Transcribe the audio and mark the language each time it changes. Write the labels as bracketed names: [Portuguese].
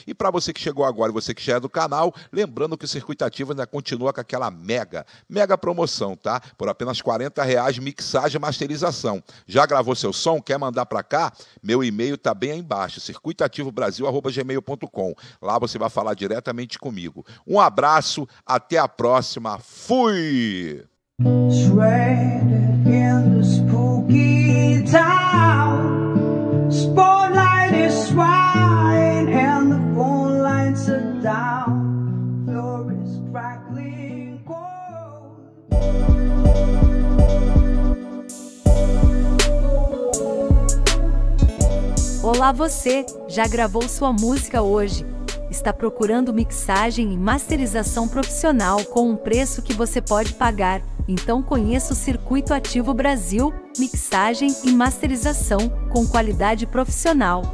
[Portuguese] E para você que chegou agora e você que já é do canal, lembrando que o Circuito Ativo ainda continua com aquela mega promoção, tá? Por apenas R$40, mixagem e masterização. Já gravou seu som? Quer mandar para cá? Meu e-mail tá bem aí embaixo, circuitoativobrasil@gmail.com. Lá você vai falar diretamente comigo. Um abraço, até a próxima. Fui! [English] Shredded in the spooky town. Spotlight is flying and the phone lights are down. Floor is crackling cold. [Portuguese] Olá, você! Já gravou sua música hoje? está procurando mixagem e masterização profissional com um preço que você pode pagar? Então conheça o Circuito Ativo Brasil, mixagem e masterização com qualidade profissional.